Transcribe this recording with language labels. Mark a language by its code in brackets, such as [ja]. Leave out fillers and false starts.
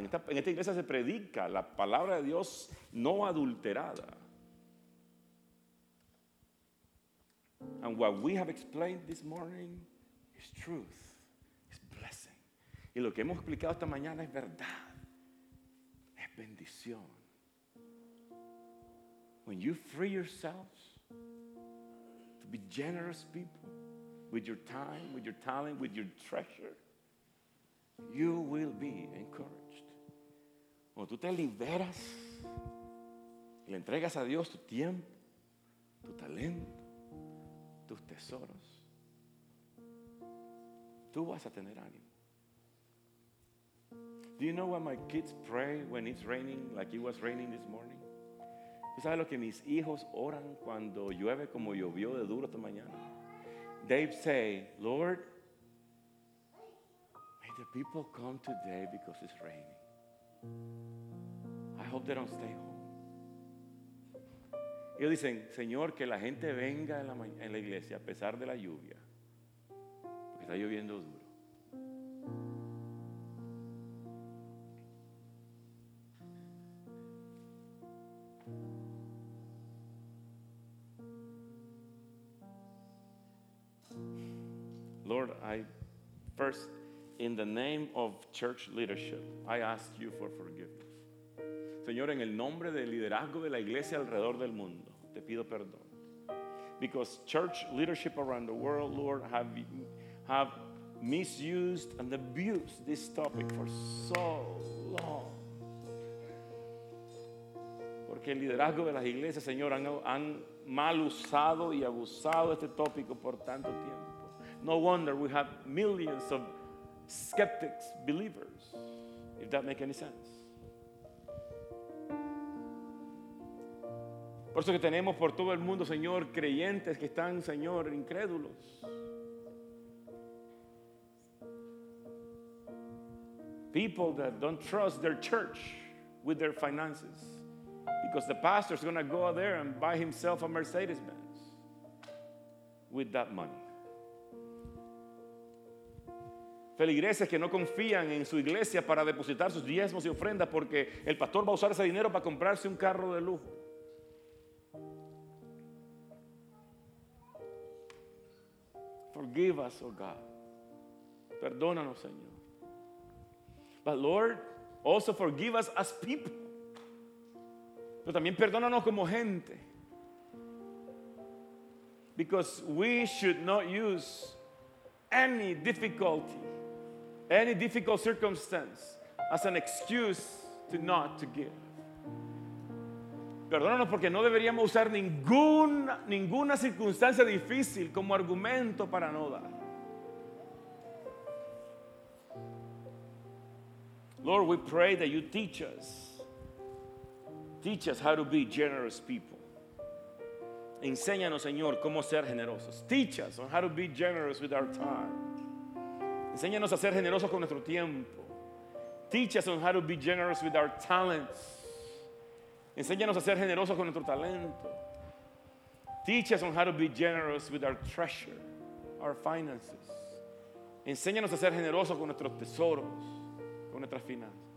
[es] En esta iglesia se predica la palabra de Dios no adulterada. [en] And what we have explained this morning is truth, is blessing. [es] Y lo que hemos explicado esta mañana es verdad, es bendición. [en] When you free yourselves to be generous people with your time, with your talent, with your treasure, you will be encouraged. [es] Cuando tú te liberas y le entregas a Dios tu tiempo, tu talento, tus tesoros, tú vas a tener ánimo. [en] Do you know what my kids pray when it's raining, like it was raining this morning? [es] ¿Tú sabes lo que mis hijos oran cuando llueve como llovió de duro esta mañana? [en] They say, Lord, may the people come today because it's raining. I hope they don't stay home. [es] Ellos dicen, Señor, que la gente venga en la iglesia a pesar de la lluvia, porque está lloviendo duro. [en] Lord, I first, in the name of church leadership, I ask you for forgiveness. [es] Señor, en el nombre del liderazgo de la iglesia alrededor del mundo, te pido perdón. [en] Because church leadership around the world, Lord, have misused and abused this topic for so long. [es] Porque el liderazgo de las iglesias, Señor, han mal usado y abusado este tópico por tanto tiempo. [en] No wonder we have millions of skeptics, believers, if that makes any sense. [es] Por eso que tenemos por todo el mundo, Señor, creyentes que están, Señor, incrédulos. [en] People that don't trust their church with their finances because the pastor's going to go there and buy himself a Mercedes-Benz with that money. [es] Feligreses que no confían en su iglesia para depositar sus diezmos y ofrendas porque el pastor va a usar ese dinero para comprarse un carro de lujo. [en] Forgive us, oh God. [es] Perdónanos, Señor. [en] But Lord, also forgive us as people. [es] Pero también perdónanos como gente. [en] Because we should not use any difficulty, any difficult circumstance as an excuse to not to give. [es] Perdónanos porque no deberíamos usar ninguna circunstancia difícil como argumento para no dar. [en] Lord, we pray that you teach us how to be generous people. [es] Enséñanos, Señor, cómo ser generosos. [en] Teach us on how to be generous with our time. [es] Enséñanos a ser generosos con nuestro tiempo. [en] Teach us on how to be generous with our talents. [es] Enséñanos a ser generosos con nuestro talento. [en] Teach us on how to be generous with our treasure, our finances. [es] Enséñanos a ser generosos con nuestros tesoros, con nuestras finanzas.